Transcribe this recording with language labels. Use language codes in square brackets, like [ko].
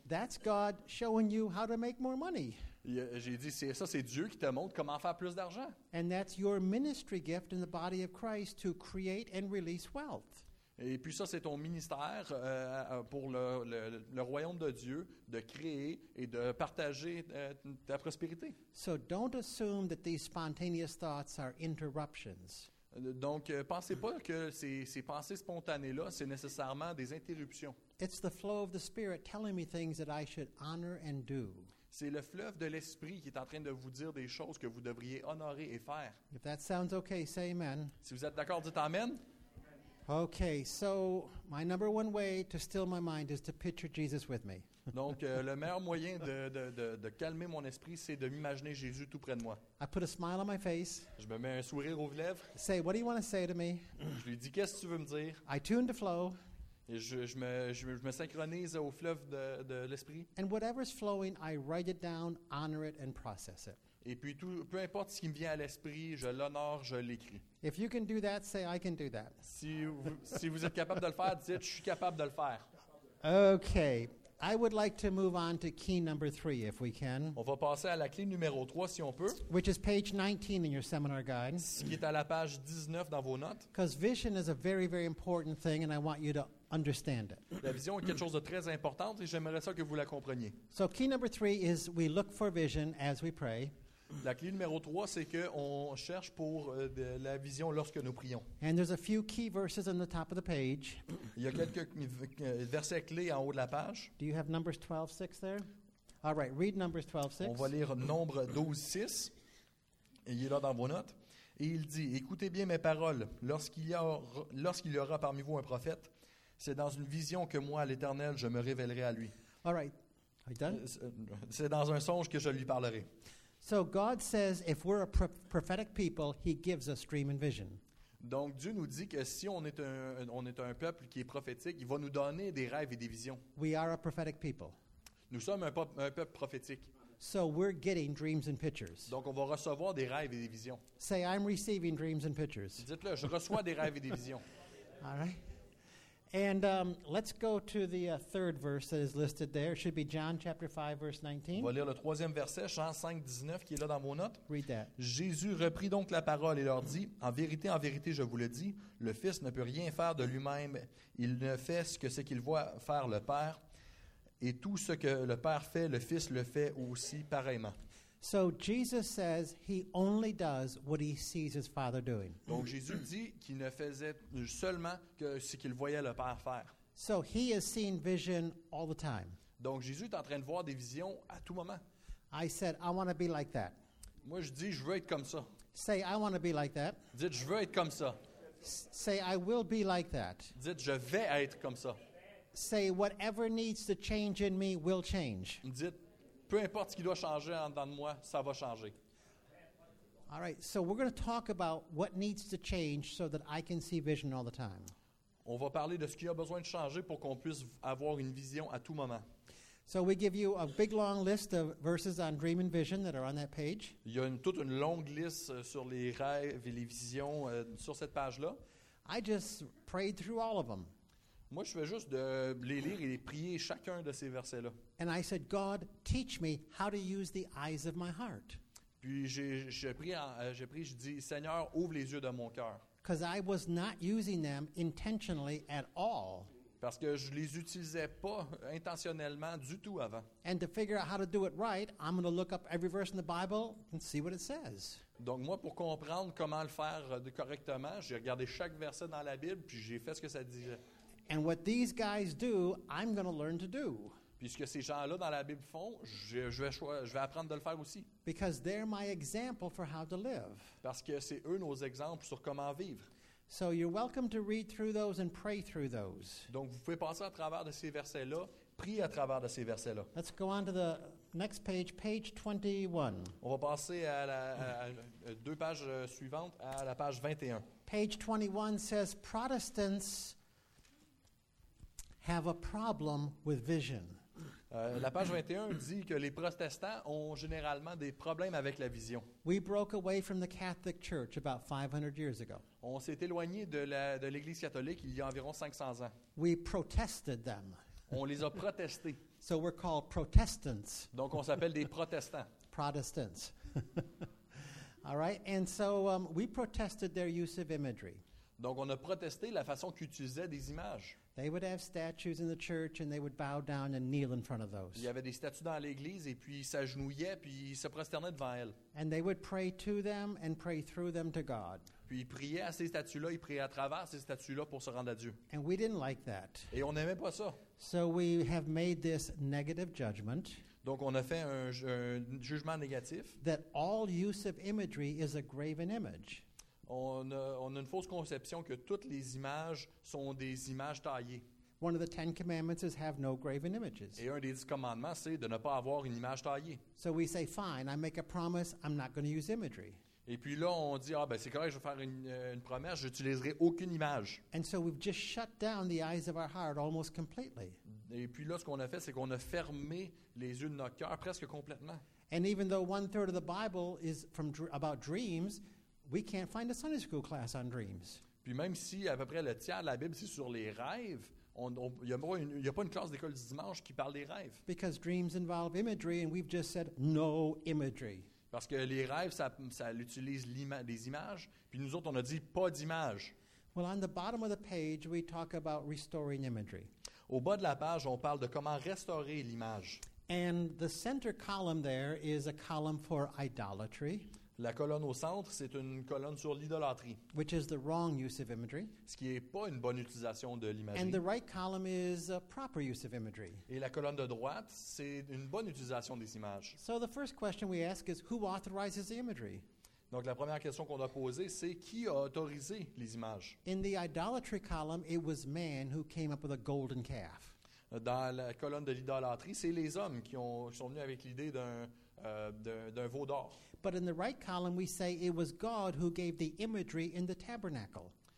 [en] That's God showing you how to make more money. [fr] J'ai dit, c'est Dieu qui te montre comment faire plus d'argent. [en] And that's your ministry gift in the body of Christ to create and release wealth. [fr] Et puis ça, c'est ton ministère pour le royaume de Dieu, de créer et de partager ta prospérité. [en] So don't assume that these spontaneous thoughts are interruptions. [fr] Donc, pensez pas que ces pensées spontanées-là, c'est nécessairement des interruptions. [en] It's the flow of the Spirit telling me things that I should honor and do. [fr] C'est le fleuve de l'Esprit qui est en train de vous dire des choses que vous devriez honorer et faire. [en] If that sounds okay, say amen. [fr] Si vous êtes d'accord, dites amen. [en] Okay, so my number one way to still my mind is to picture Jesus with me. [fr] Donc, le meilleur moyen de calmer mon esprit, c'est de m'imaginer Jésus tout près de moi. [en] I put a smile on my face. [fr] Je me mets un sourire aux lèvres. [en] Say, what do you want to say to me? [fr] Je lui dis, qu'est-ce que tu veux me dire? [en] I tune the flow. [fr] Et je me synchronise au fleuve de l'esprit. [en] And whatever's flowing, I write it down, honor it, and process it. [fr] Et puis, peu importe ce qui me vient à l'esprit, je l'honore, je l'écris. [en] If you can do that, say, I can do that. [fr] Si vous êtes capable de le faire, dites, je suis capable de le faire. [en] Okay. I would like to move on to key number three, if we can. [fr] On va passer à la clé numéro 3, si on peut. [en] Which is page 19 in your seminar guide. [fr] Ce qui est à la page 19 dans vos notes. [en] Because vision is a very, very important thing, and I want you to understand it. [fr] La vision est quelque chose de très important, et j'aimerais ça que vous la compreniez. [en] So key number 3 is we look for vision as we pray. [fr] La clé numéro 3, c'est qu'on cherche pour la vision lorsque nous prions. [en] And there's a few key verses on the top of the page. [fr] Il y a quelques versets clés en haut de la page. [en] Do you have Numbers 12:6 there? All right, read Numbers 12:6. [fr] On va lire Nombre 12:6. Ayez là dans vos notes. Et il dit, écoutez bien mes paroles. Lorsqu'il y aura parmi vous un prophète, c'est dans une vision que moi, l'Éternel, je me révélerai à lui. [en] All right, are you done? [fr] C'est dans un songe que je lui parlerai. [en] So God says if we're a prophetic people, he gives us dream and vision. [fr] Donc Dieu nous dit que si on est un peuple qui est prophétique, il va nous donner des rêves et des visions. [en] We are a prophetic people. [fr] Nous sommes un peuple prophétique. [en] So we're getting dreams and pictures. [fr] Donc on va recevoir des rêves et des visions. [en] Say I'm receiving dreams and pictures. [fr] Dites-le, je reçois des rêves et des visions. [en] All right. And let's go to the third verse that is listed there. It should be John chapter 5, verse 19. [fr] On va lire le troisième verset, Jean 5, 19, qui est là dans vos notes. [en] Read that. [fr] Jésus reprit donc la parole et leur dit, en vérité, je vous le dis, le Fils ne peut rien faire de lui-même. Il ne fait que ce qu'il voit faire le Père. Et tout ce que le Père fait, le Fils le fait aussi pareillement. [en] So Jesus says he only does what he sees his father doing. [fr] Donc Jésus dit qu'il ne faisait seulement que ce qu'il voyait le Père faire. [en] So he is seeing vision all the time. [fr] Donc Jésus est en train de voir des visions à tout moment. [en] I said I want to be like that. [fr] Moi je dis je veux être comme ça. [en] Say, I want to be like that. [fr] Dites, je veux être comme ça. [en] Say, I will be like that. [fr] Dites, je vais être comme ça. [en] Say, whatever needs to change in me will change. [fr] Dites, peu importe ce qui doit changer en dedans de moi, ça va changer. [en] All right, so we're going to talk about what needs to change so that I can see vision all the time. [fr] On va parler de ce qui a besoin de changer pour qu'on puisse avoir une vision à tout moment. [en] So we give you a big long list of verses on dream and vision that are on that page. [fr] Il y a toute une longue liste sur les rêves et les visions sur cette page-là. [en] I just prayed through all of them. [fr] Moi, je fais juste de les lire et les prier chacun de ces versets-là. [en] And I said, God, teach me how to use the eyes of my heart. [fr] Puis j'ai prié, je dis, Seigneur, ouvre les yeux de mon cœur. [en] Because I was not using them intentionally at all. [fr] Parce que je les utilisais pas intentionnellement du tout avant. [en] And to figure out how to do it right, I'm going to look up every verse in the Bible and see what it says. [fr] Donc moi, pour comprendre comment le faire correctement, j'ai regardé chaque verset dans la Bible puis j'ai fait ce que ça disait. [en] And what these guys do, I'm going to learn to do. [fr] Puis ce que ces gens-là dans la Bible font, je vais apprendre de le faire aussi. [en] Because they're my example for how to live. [fr] Parce que c'est eux nos exemples sur comment vivre. [en] So you're welcome to read through those and pray through those. [fr] Donc vous pouvez passer à travers de ces versets-là, prier à travers de ces versets-là. [en] Let's go on to the next page, page 21. [fr] On va passer à deux pages suivantes, à la page 21. [en] Page 21 says Protestants have a problem with vision. [fr] La page 21 dit que les protestants ont généralement des problèmes avec la vision. [en] We broke away from the Catholic Church about 500 years ago. [fr] On s'est éloigné de l'Église catholique il y a environ 500 ans. [en] We protested them. [fr] On les a protestés. [en] So we're called Protestants. [fr] Donc on s'appelle des protestants. [en] Protestants. All right, and so we protested their use of imagery. [fr] Donc on a protesté la façon qu'ils utilisaient des images. [en] They would have statues in the church and they would bow down and kneel in front of those. [fr] Il y avait des statues dans l'église et puis ils s'agenouillaient puis ils se prosternaient devant elles. [en] And they would pray to them and pray through them to God. [fr] Puis ils priaient à ces statues-là, ils priaient à travers ces statues-là pour se rendre à Dieu. [en] And we didn't like that. [fr] Et on n'aimait pas ça. [en] So we have made this negative judgment. [fr] Donc on a fait un jugement négatif. [en] That all use of imagery is a graven image. [fr] On a une fausse conception que toutes les images sont des images taillées. [en] One of the Ten Commandments is have no graven images. [fr] Et un des 10 commandements, c'est de ne pas avoir une image taillée. [en] So we say, fine, I make a promise, I'm not going to use imagery. [fr] Et puis là, on dit, ah ben c'est correct, je vais faire une promesse, je n'utiliserai aucune image. [en] And so we've just shut down the eyes of our heart almost completely. [fr] Et puis là, ce qu'on a fait, c'est qu'on a fermé les yeux de notre cœur presque complètement. [en] And even though one third of the Bible is from about dreams, we can't find a Sunday school class on dreams. [fr] Puis même si à peu près le tiers de la Bible c'est sur les rêves, il y a pas une classe d'école du dimanche qui parle des rêves. [en] Because dreams involve imagery and we've just said no imagery. [fr] Parce que les rêves ça utilise des images, puis nous autres on a dit pas d'images. [en] Well, on the bottom of the page we talk about restoring imagery. [fr] Au bas de la page, on parle de comment restaurer l'image. [en] And the center column there is a column for idolatry. [fr] La colonne au centre, c'est une colonne sur l'idolâtrie. [en] Which is the wrong use of imagery. [fr] Ce qui n'est pas une bonne utilisation de l'imagerie. [en] And the right column is a proper use of imagery. [fr] Et la colonne de droite, c'est une bonne utilisation des images. [en] So the first question we ask is, who authorizes the imagery? [fr] Donc la première question qu'on a posée, c'est qui a autorisé les images? [en] In the idolatry column, it was man who came up with a golden calf. [fr] Dans la colonne de l'idolâtrie, c'est les hommes qui sont venus avec l'idée d'un veau d'or. [en] But in the right column, we say it was God who gave the imagery in the tabernacle.